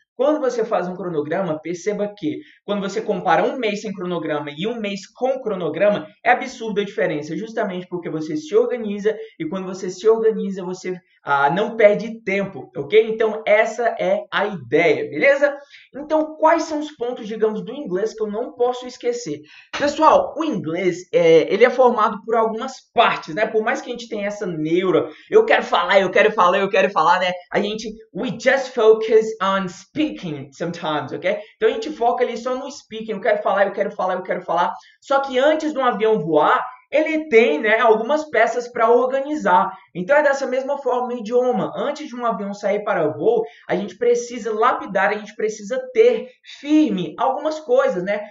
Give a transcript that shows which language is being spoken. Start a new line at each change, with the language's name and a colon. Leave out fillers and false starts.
Portuguese: Quando você faz um cronograma, perceba que quando você compara um mês sem cronograma e um mês com cronograma, é absurda a diferença, justamente porque você se organiza e quando você se organiza, você não perde tempo, ok? Então, essa é a ideia, beleza? Então, quais são os pontos, digamos, do inglês que eu não posso esquecer? Pessoal, o inglês ele é formado por algumas partes, né? Por mais que a gente tenha essa neura, eu quero falar, eu quero falar, eu quero falar, né?
English: We just focus on speaking sometimes, ok?
Portuguese: Então a gente foca ali só no speaking, eu quero falar, eu quero falar, eu quero falar. Só que antes de um avião voar, ele tem, né, algumas peças para organizar. Então é dessa mesma forma o idioma. Antes de um avião sair para o voo, a gente precisa lapidar, a gente precisa ter firme algumas coisas, né?